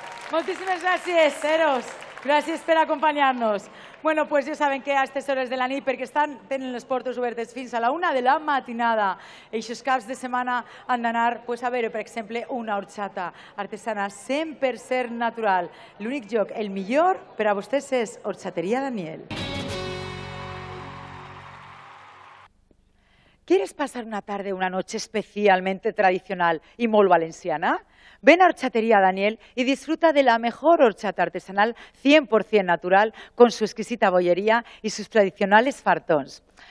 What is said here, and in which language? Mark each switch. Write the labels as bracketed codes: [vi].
[es] Muchísimas gracias, Eros. Gracias por acompañarnos. Bueno, pues ya saben que a estas horas [ca] de la nit, [es] porque están, tienen los [ca] portos obertes fins a la una de la matinada. Eixos caps de semana han d'anar, [es] pues a ver, por ejemplo, una horchata artesana 100% natural. [ca] L'únic lloc, el millor, per a vostès és Horchateria Daniel. [es] ¿Quieres pasar una tarde, una noche especialmente tradicional y [ca] molt valenciana? [es] Ven a Horchateria Daniel y disfruta de la mejor horchata artesanal 100% natural con su exquisita bollería y sus tradicionales fartons.